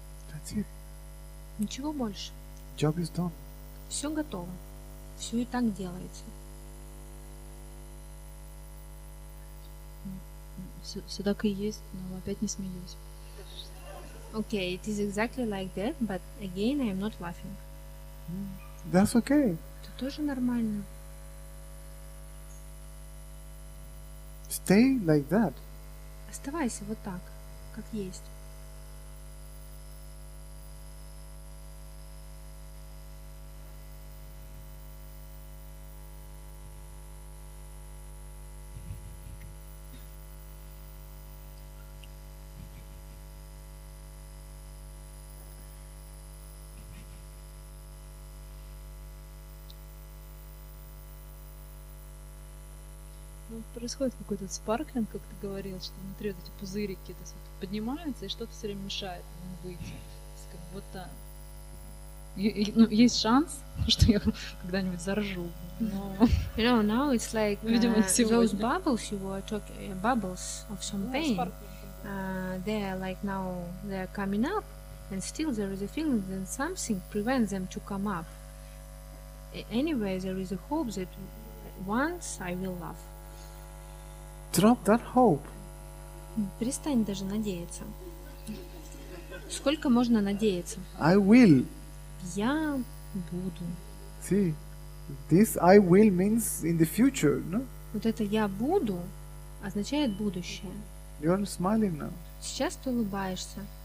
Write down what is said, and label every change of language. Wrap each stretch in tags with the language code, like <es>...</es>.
<en>That's it.</en> <ru>Ничего больше.</ru> <en>Job is done.</en> <ru>Все готово. Все и так делается. Все так и есть, но опять не смеюсь.</ru> <en>Okay, it is exactly like that, but again I am not laughing. That's okay.</en> <ru>Это тоже нормально.</ru> <en>Stay like that.</en> <ru>Оставайся вот так, как есть. Происходит какой-то спарклинг, как ты говорил, что внутри вот эти пузырики вот поднимаются, и что-то все время мешает ему выйти. То есть как будто ну, есть шанс, что я когда-нибудь заржу. Но...</ru> <en>You know, now it's like</en> <ru>видимо,</ru> <en>those bubbles you were talking, bubbles of champagne, they're like now they're coming up, and still there is a feeling that something prevents them to come up. Anyway, there is a hope that once I will laugh. Drop that hope.</en> <ru>Перестань даже надеяться. Сколько можно надеяться?</ru> <en>I will.</en> <ru>Я буду.</ru> <en>See, this I will means in the future, no?</en> <ru>Вот это я буду означает будущее.</ru> <en>You're smiling now.</en> <ru>Сейчас ты улыбаешься.</ru>